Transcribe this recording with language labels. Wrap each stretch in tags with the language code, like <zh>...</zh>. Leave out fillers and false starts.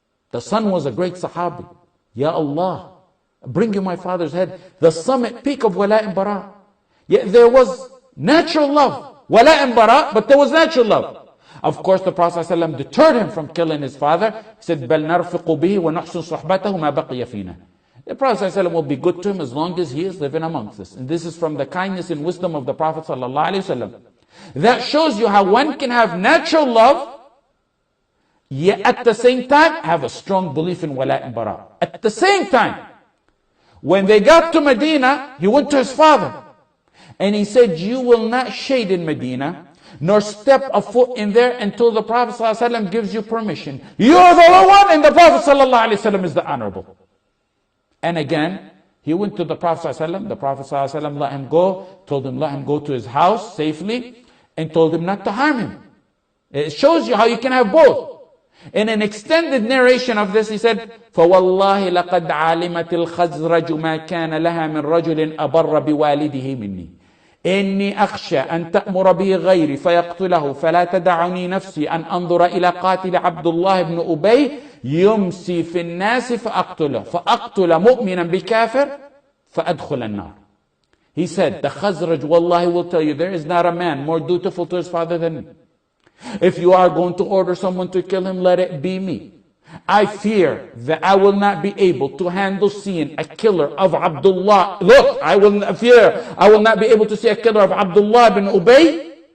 <en>The son was a great sahabi. Ya Allah, bring you my father's head. The summit peak of wala and bara. Yet there was natural love. Wala and bara, but there was natural love. Of course, the Prophet ﷺ deterred him from killing his father.</en> <ar>He said, بَلْ نَرْفِقُ بِهِ وَنُحْسُنْ صُحْبَتَهُ مَا بَقِيَ فِينَا.</ar> <en>The Prophet ﷺ will be good to him as long as he is living amongst us. And this is from the kindness and wisdom of the Prophet ﷺ. That shows you how one can have natural love, yet at the same time, have a strong belief in wala and bara. At the same time, when they got to Medina, he went to his father. And he said, you will not shade in Medina, nor step a foot in there until the Prophet ﷺ gives you permission. You are the low one, and the Prophet ﷺ is the honorable. And again, he went to the Prophet ﷺ. The Prophet ﷺ let him go, told him, let him go to his house safely, and told him not to harm him. It shows you how you can have both.</en> <ar>In an extended narration of this, he said, فَوَاللَّهِ لَقَدْ عَالِمَتِ الْخَزْرَجُ مَا كَانَ لَهَا مِنْ رَجُلٍ أَبَرَّ بِوَالِدِهِ مِنِّي إِنِّي أَخْشَى أَنْ تَأْمُرَ بِهِ غَيْرِ فَيَقْتُلَهُ فَلَا تَدَعُنِي نَفْسِي أَنْ أَنْظُرَ إِلَى قَاتِلِ عَبْدُ اللَّهِ بْنُ أُبَيْ يُمْسِي فِي النَّاسِ فَأَقْتُلَهُ فَأَقْتُلَ مُؤْمِنًا بِكَافِرٍ فَأَدْخُلَ النَّارِ.</ar> <en>He said, the Khazraj, wallahi will tell you, there is not a man more dutiful to his father than me. If you are going to order someone to kill him, let it be me. I fear that I will not be able to handle seeing a killer of Abdullah. Look, I will not be able to see a killer of Abdullah ibn Ubay.</en>